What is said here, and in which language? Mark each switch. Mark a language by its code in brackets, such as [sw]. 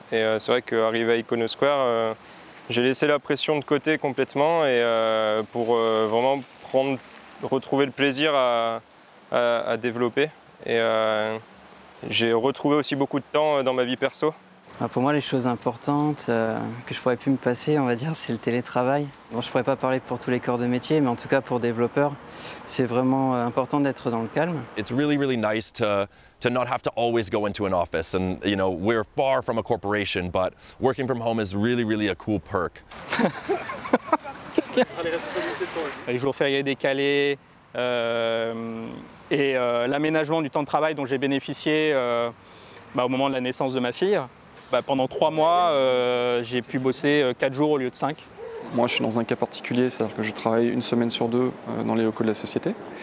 [fr] Et c'est vrai qu'arrivé à Icono Square, j'ai laissé la pression de côté complètement et pour vraiment retrouver le plaisir à développer. J'ai retrouvé aussi beaucoup de temps dans ma vie perso. Pour moi, les choses importantes que je pourrais plus me passer, on va dire, c'est le télétravail. Bon, je pourrais pas parler pour tous les corps de métier, mais en tout cas pour développeurs, c'est vraiment important d'être dans le calme. [en] It's really, really nice to not have to always go into an office. And you know, we're far from a corporation, but working from home is really, really a cool perk. [fr] Les jours fériés décalés. Et l'aménagement du temps de travail dont j'ai bénéficié au moment de la naissance de ma fille. Pendant 3 mois, j'ai pu bosser 4 jours au lieu de 5. Moi, je suis dans un cas particulier, c'est-à-dire que je travaille une semaine sur deux dans les locaux de la société.